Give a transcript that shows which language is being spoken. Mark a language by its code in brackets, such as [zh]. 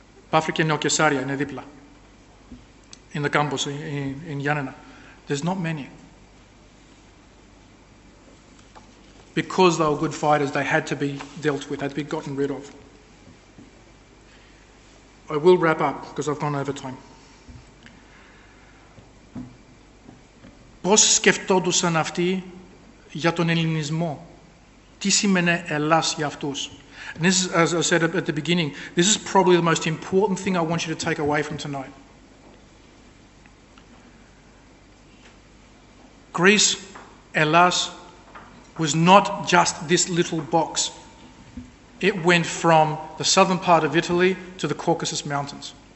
[en] Paphra και Νεοκεσάρια είναι δίπλα, in the campus in Γιάννενα. There's not many. Because they were good fighters, they had to be dealt with, had to be gotten rid of. I will wrap up, because I've gone over time. [el] Πώς σκεφτόντουσαν αυτοί για τον Ελληνισμό? Τι σημαίνει Ελλάς για αυτούς? [en] This is, as I said at the beginning, this is probably the most important thing I want you to take away from tonight. Greece, Ελλάς, was not just this little box. It went from the southern part of Italy to the Caucasus Mountains.